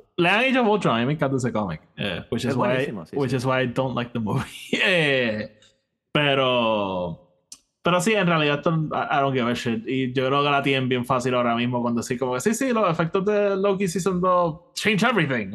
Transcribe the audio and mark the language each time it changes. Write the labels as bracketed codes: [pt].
[es] Le han hecho mucho, a mí me encanta ese cómic. [en] Which is why I don't like the movie. [es] Pero sí, en realidad, [en] I don't give a shit. [es] Y yo creo que la tienen bien fácil ahora mismo cuando así como que, sí, los efectos de Loki Season 2 [en] change everything.